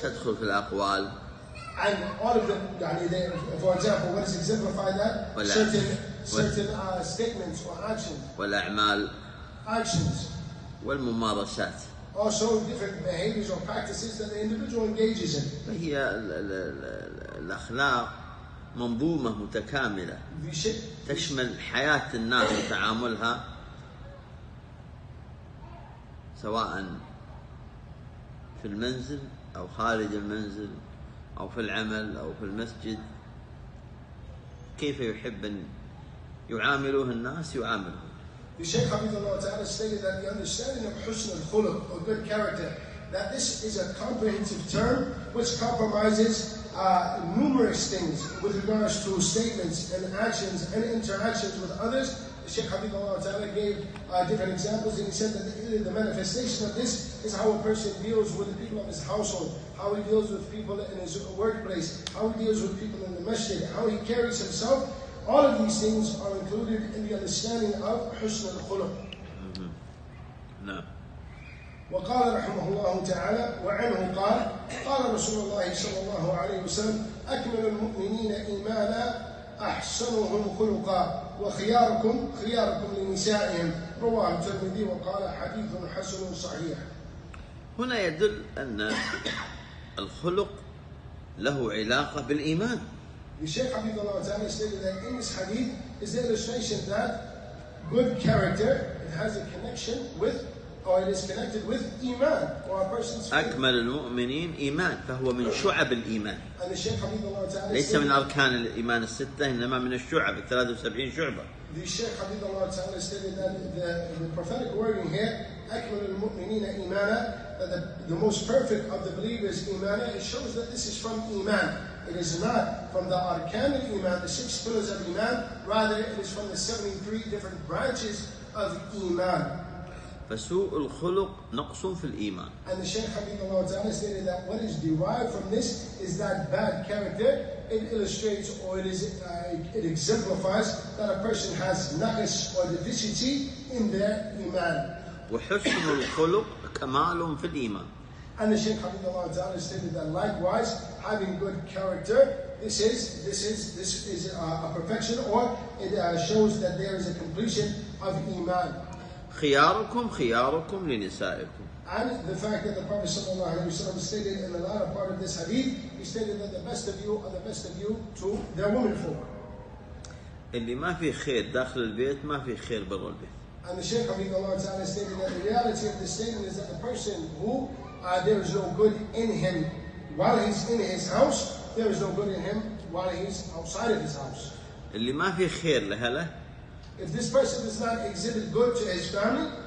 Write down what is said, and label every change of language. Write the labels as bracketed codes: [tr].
[ar] تدخل في الأقوال. [en] And all of them, يعني they, for example, what does exemplify that? [ar] ولا [en] certain statements or actions. [ar] والأعمال [en] actions. [ar] والممارسات. [en] Also different behaviors or practices that the individual engages in. [ar] فهي الأخلاق منظومة متكاملة تشمل حياة الناس وتعاملها سواء في المنزل أو خارج المنزل أو في العمل أو في المسجد. كيف يحب أن يعاملوه الناس يعاملهم. [en] The Shaykh Hafidhullah Ta'ala stated that the understanding of husn al-khuluq, or good character, that this is a comprehensive term which compromises numerous things with regards to statements and actions and interactions with others. The Shaykh Hafidhullah Ta'ala gave different examples, and he said that the manifestation of this is how a person deals with the people of his household, how he deals with people in his workplace, how he deals with people in the masjid, how he carries himself. All of these things are included in the understanding of حسن الخلق. [ar] وقال رحمه الله تعالى وعنه قال قال رسول الله صلى الله عليه وسلم أكمل المؤمنين إيمانا أحسنهم خلقا وخياركم خياركم لنسائهم رواه الترمذي وقال حديث حسن صحيح. هنا يدل أن الخلق له علاقة بالإيمان. [en] The Shaykh Hafidhullah Ta'ala stated that in this hadith is the illustration that good character, it has a connection with, or it is connected with iman, or a person's faith. [ar] أكمل المؤمنين إيمان فهو من شعب الإيمان. [en] And the Shaykh Hafidhullah Ta'ala [ar] ليس من أركان الإيمان الستة إنما من الشعب 73 شعبة. [en] The Shaykh Hafidhullah Ta'ala stated that the prophetic wording here [ar] أكمل المؤمنين إيمانا [en] that the most perfect of the believers إيمانا, it shows that this is from iman. It is not from the arkan of iman, the six pillars of iman. Rather, it is from the 73 different branches of iman. [ar] فسوء الخلق نقص في الإيمان. [en] And the Shaykh Hafidhullah Ta'ala stated that what is derived from this is that bad character. It illustrates or it exemplifies that a person has naqs or deficiency in their iman. [ar] وحسن الخلق كمال في الإيمان. [en] And the Shaykh Hafidhullah Ta'ala stated that likewise, having good character, this is a perfection, or it shows that there is a completion of iman. [ar] خياركم خياركم لنسائكم. [en] And the fact that the Prophet sallallahu alaihi wasallam stated in the latter part of this hadith, he stated that the best of you are the best of you to their women for. [ar] اللي ما في خير داخل البيت ما في خير برا البيت. [en] And the Shaykh Hafidhullah Ta'ala stated that the reality of this statement is that the person who there is no good in him while he's in his house, there is no good in him while he's outside of his house. [ar] اللي ما في خير لهله. [en] If this person does not exhibit good to his family,